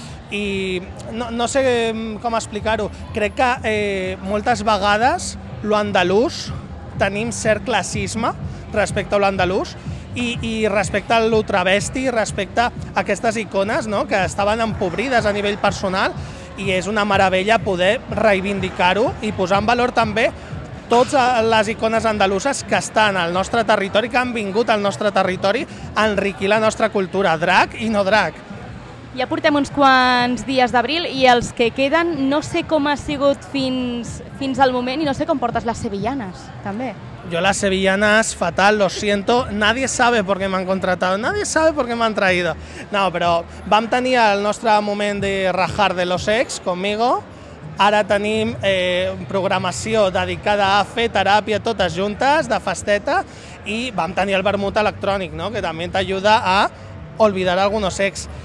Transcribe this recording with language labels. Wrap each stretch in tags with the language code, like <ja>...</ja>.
<ca>i no sé com explicar-ho, crec que moltes vegades lo andalús tenim cert classisme respecte a lo andalús, i respecte a lo travesti, respecte a aquestes icones, no?, que estaven empobrides a nivell personal, i és una meravella poder reivindicar-ho i posar en valor també totes les icones andaluses que estan al nostre territori, que han vingut al nostre territori a enriquir la nostra cultura, drag i no drag. Ja portem uns quants dies d'abril i els que queden, no sé com ha sigut fins al moment i no sé com portes les sevillanes, també.</ca> <es>Yo las sevillanas fatal, lo siento, nadie sabe por qué me han contratado, nadie sabe por qué me han traído.</es> <ca>No, però vam tenir el nostre moment de rajar</ca> <es>de los ex conmigo,</es> <ca>ara tenim programació dedicada a fer teràpia totes juntes, de festeta, i vam tenir el vermut electrònic, no?, que també t'ajuda a oblidar</ca> <es>algunos ex.</es>